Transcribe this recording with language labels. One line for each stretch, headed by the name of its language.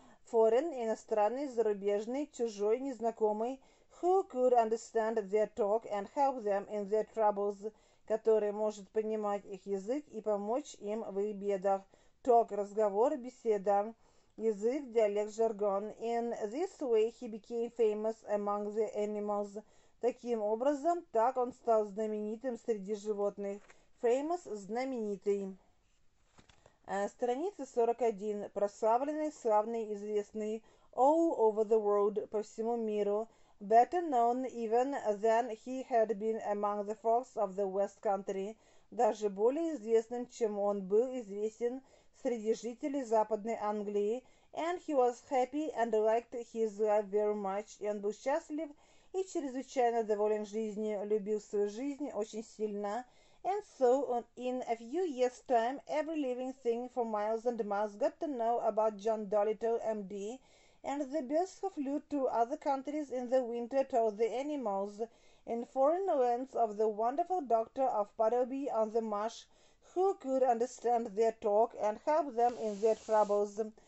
Russian: Foreign, иностранный, зарубежный, чужой, незнакомый,
English: who could understand their talk and help them in their troubles,
Russian: который может понимать их язык и помочь им в их бедах. Talk, разговор, беседа. Язык, диалект, жаргон.
English: In this way he became famous among the animals.
Russian: Таким образом, так он стал знаменитым среди животных. Famous – знаменитый. Страница 41. Прославленный, славный, известный.
English: All over the world,
Russian: по всему миру.
English: Better known even than he had been among the frogs of the West Country.
Russian: Даже более известным, чем он был известен среди жителей Западной Англии.
English: And he was happy and liked his life very much.
Russian: И он был счастлив и чрезвычайно доволен жизнью, любил свою жизнь очень сильно.
English: And so, in a few years' time, every living thing for miles and miles got to know about John Dolittle, M.D. And the birds who flew to other countries in the winter told the animals in foreign lands of the wonderful doctor of Puddleby on the Marsh, who could understand their talk and help them in their troubles.